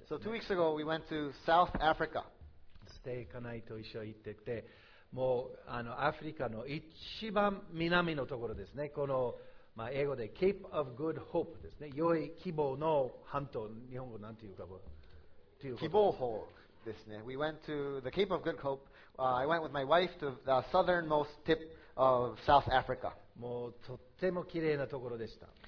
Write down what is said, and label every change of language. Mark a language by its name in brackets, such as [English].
[English] So 2 weeks ago, we went to South Africa. [Japanese] ステイカナイと一緒に行ってて、もうアフリカの一番南のところですね。この、まあ、英語で Cape of Good Hope ですね。良い希望の半島、日本語なんていうか。希望峰ですね。 [English] We went to the Cape of Good Hope.、I went with my wife to the southernmost tip of South Africa. [Japanese] もうとっても綺麗なところでした。